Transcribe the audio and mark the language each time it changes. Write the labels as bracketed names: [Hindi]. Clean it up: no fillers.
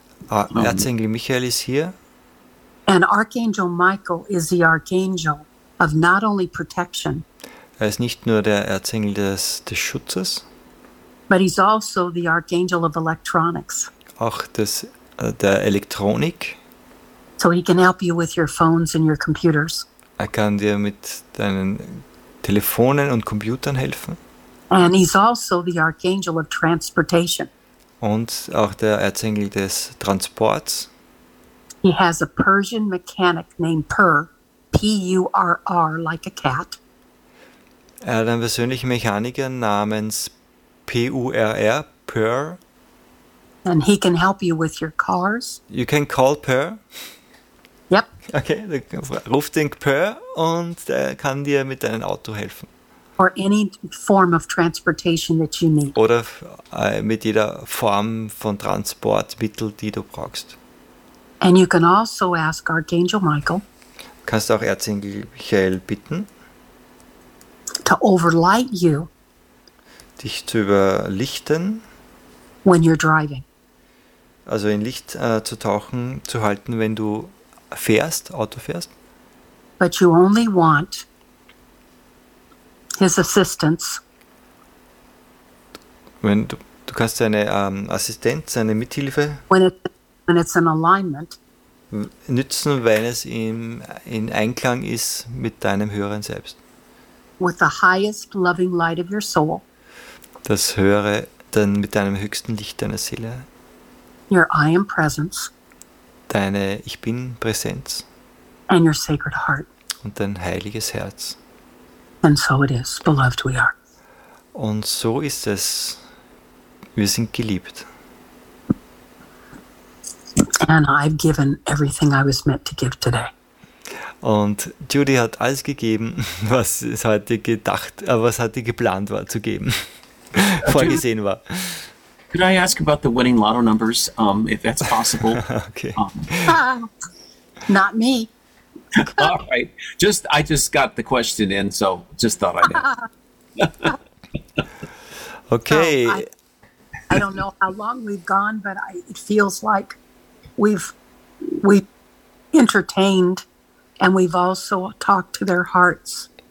[German] Erzengel Michael ist hier. [English] And Archangel Michael is the archangel of not only protection. [German] Er ist nicht nur der Erzengel des Schutzes. [English] But he's also the archangel of electronics. [German] Auch der Elektronik. [English] So he can help you with your phones and your computers. [German] Er kann dir mit deinen Telefonen und Computern helfen. [English] And he's also the archangel of transportation. [German] Und auch der Erzengel des Transports. [English] He has a Persian mechanic named Purr, P-U-R-R, like a cat. [German] Er hat einen persönlichen Mechaniker namens P-U-R-R, Purr. [English] And he can help you with your cars. You can call Purr. Yep. [German] Okay, ruf den Purr und der kann dir mit deinem Auto helfen. [English] Or any form of transportation that you need. [German] Oder mit jeder Form von Transportmittel, die du brauchst. [English] And you can also ask Archangel Michael. [German] Kannst du auch Erzengel Michael bitten. [English] To overlight you. [German] Dich zu überlichten. [English] When you're driving. [German] Also in Licht zu tauchen, zu halten, wenn du fährst, Auto fährst. [English] But you only want his assistance. [German] Wenn du kannst seine Assistenz, seine Mithilfe [English] when it's an alignment, [German] nützen, wenn es in Einklang ist mit deinem höheren Selbst. [English] With the highest loving light of your soul. [German] Das höhere, dann mit deinem höchsten Licht deiner Seele. [English] Your I am presence. [German] Deine Ich bin Präsenz. [English] And your sacred heart. [German] Und dein heiliges Herz. [English] And so it is, beloved we are. [German] Und so ist es. Wir sind geliebt. [English] And I've given everything I was meant to give today. [German] Und Judy hat alles gegeben, was es heute gedacht, was heute geplant war zu geben, vorgesehen war. [English] Could I ask about the winning lotto numbers, if that's possible? Okay. Not me. All right. I just got the question in, so just thought I'd ask. Okay. I don't know how long we've gone, but it feels like we've entertained and we've also talked to their hearts.